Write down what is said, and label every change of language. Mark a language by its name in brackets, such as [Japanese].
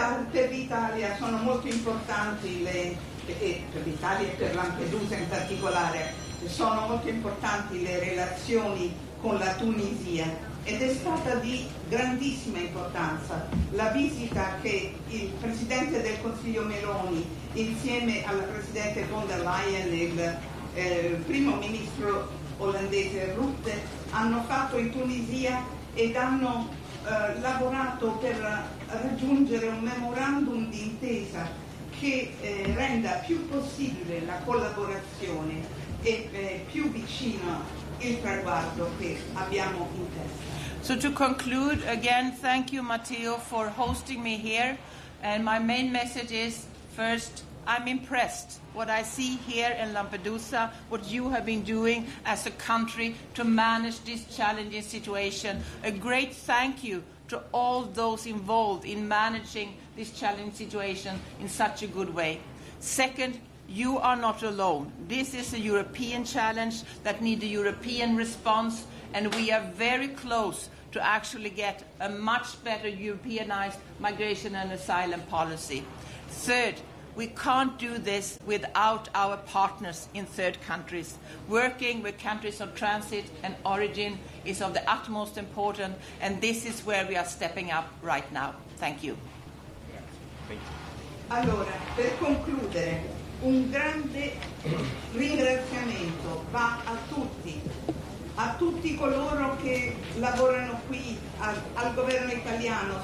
[Italian] Per l'Italia sono molto importanti per l'Italia e per Lampedusa in particolare, sono molto importanti le relazioni con la Tunisia, ed è stata di grandissima importanza la visita che il Presidente del Consiglio Meloni insieme alla Presidente von der Leyen e il Primo Ministro olandese Rutte hanno fatto in Tunisia, ed hanno lavorato per raggiungere un memorandum d'intesa che renda più possibile la collaborazione e più vicino il traguardo che abbiamo in testa. [English] So to conclude again, thank you Matteo for hosting me here, and my main message is, first, I'm impressed what I see here in Lampedusa, what you have been doing as a country to manage this challenging situation. A great thank you to all those involved in managing this challenging situation in such a good way. Second, you are not alone. This is a European challenge that needs a European response, and we are very close to actually get a much better Europeanized migration and asylum policy. Third, we can't do this without our partners in third countries. Working with countries of transit and origin is of the utmost importance, and this is where we are stepping up right now. Thank you. [Italian] Allora, per concludere, un grande ringraziamento va a tutti coloro che lavorano qui al governo italiano.